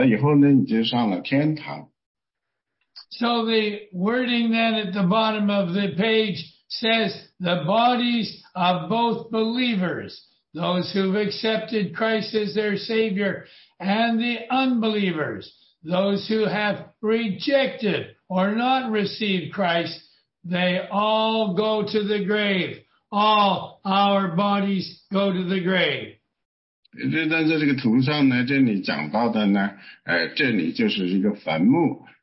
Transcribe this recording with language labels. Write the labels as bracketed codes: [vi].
[zh] 这里实际上呢，那个阿基一个叫阿摩斯的先知，他是这样讲的，讲的很有智慧，说我们，所以呢，我们大家都必须准备好，准备好呢，我们要去最后去到神那里去。所以呢，就是说你死了以后，如果你走在宽路上，你就下到地狱里去了；如果你走在窄路上，你死了以后呢，你就上了天堂。 [en] So the wording then at the bottom of the page says the bodies of both believers, those who've accepted Christ as their Savior, and the unbelievers, those who have rejected or not received Christ, they all go to the grave. All our bodies go to the grave. [zh] 但在这个图上呢，这里讲到的呢，这里就是一个坟墓。